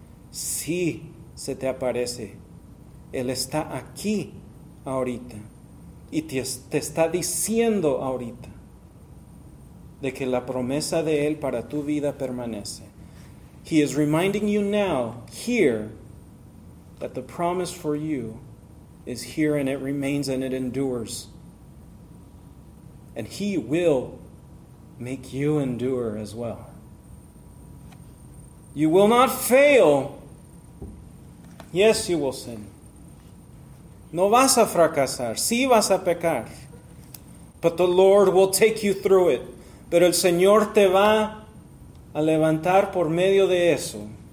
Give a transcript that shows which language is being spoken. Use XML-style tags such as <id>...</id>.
<es>Si se te aparece, él está aquí ahorita. Y te está diciendo ahorita de que la promesa de él para tu vida permanece.</es> <en>He is reminding you now, here, that the promise for you is here and it remains and it endures. And he will make you endure as well. You will not fail. Yes, you will sin.</en> <es>No vas a fracasar. Sí vas a pecar.</es> <en>But the Lord will take you through it.</en> <es>Pero el Señor te va a levantar por medio de eso.</es>